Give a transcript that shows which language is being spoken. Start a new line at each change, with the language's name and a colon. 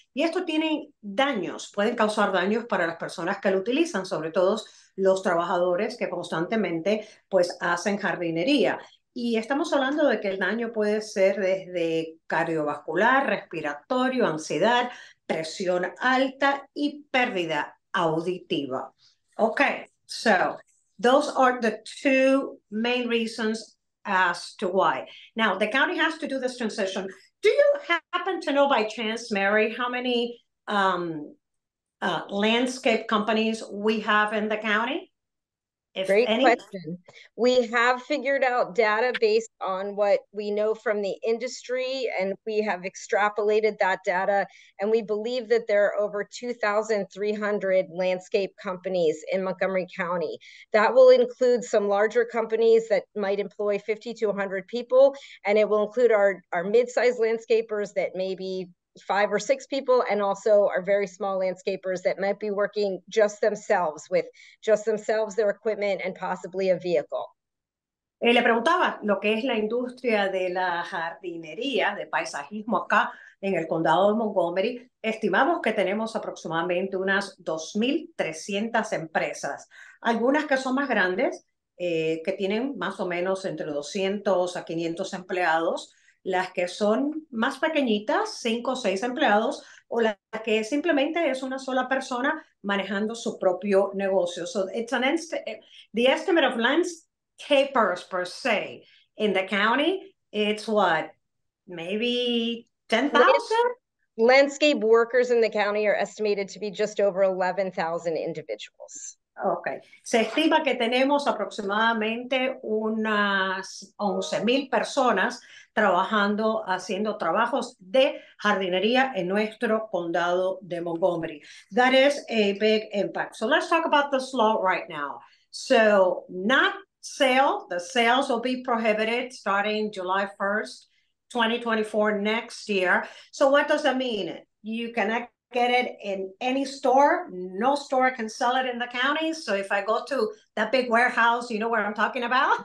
Spanish: Y esto tiene daños, pueden causar daños para las personas que lo utilizan, sobre todo los trabajadores que constantemente pues hacen jardinería. Y estamos hablando de que el daño puede ser desde cardiovascular, respiratorio, ansiedad, presión alta y pérdida auditiva.
English: Okay, so those are the two main reasons as to why. Now, the county has to do this transition. Do you happen to know by chance, Mary, how many landscape companies we have in the county? Great question. We have figured out data based on what we know from the industry, and we have extrapolated that data, and we believe that there are over 2,300 landscape companies in Montgomery County. That will include some larger companies that might employ 50 to 100 people, and it will include our mid-sized landscapers that maybe 5 or 6 people, and also our very small landscapers that might be working just themselves with just themselves, their equipment, and possibly a vehicle.
Spanish: Le preguntaba lo que es la industria de la jardinería, de paisajismo acá en el condado de Montgomery. Estimamos que tenemos aproximadamente unas 2,300 empresas, algunas que son más grandes, que tienen más o menos entre 200 a 500 empleados. Las que son más pequeñitas, 5 o 6 empleados, o las que simplemente es una sola persona manejando su propio negocio.
English: So it's an the estimate of landscapers per se in the county, it's what, maybe 10,000? Landscape workers in the county are estimated to be just over 11,000 individuals. Okay.
Spanish: Se estima que tenemos aproximadamente unas 11,000 personas trabajando, haciendo trabajos de jardinería en nuestro condado de Montgomery.
English: That is a big impact. So let's talk about this law right now. So not sale, the sales will be prohibited starting July 1st, 2024 next year. So what does that mean? You cannot get it in any store. No store can sell it in the county. So if I go to that big warehouse, you know where I'm talking about?